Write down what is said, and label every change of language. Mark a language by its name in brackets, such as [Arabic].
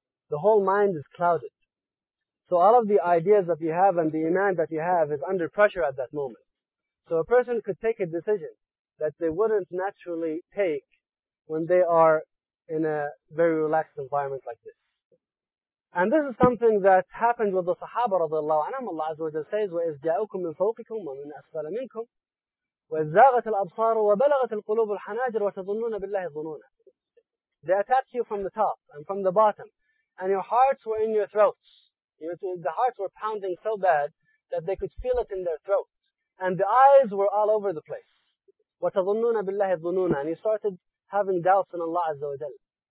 [English] The whole mind is clouded. So all of the ideas that you have and the iman that you have is under pressure at that moment. So a person could take a decision that they wouldn't naturally take when they are in a very relaxed environment like this. And this is something that happened with the Sahaba radiallahu anhum. Allah Azza wa Jalla says, [Arabic] وَإِذْ جَاءُكُمْ مِنْ فَوْقِكُمْ وَمِنْ أَسْفَلَ مِنْكُمْ وَإِذْ زَاغَتِ الْأَبْصَارُ وَبَلَغَتِ الْقُلُوبُ الْحَنَاجِرُ وَتَظُنُّونَ بِاللَّهِ ظُنُونَ. [English] They attacked you from the top and from the bottom, and your hearts were in your throats. The hearts were pounding so bad that they could feel it in their throats. And the eyes were all over the place. [Arabic] وَتَظُنُّونَ بِاللَّهِ ظُنُونَ. [English] And you started having doubts in Allah Azza wa Jalla.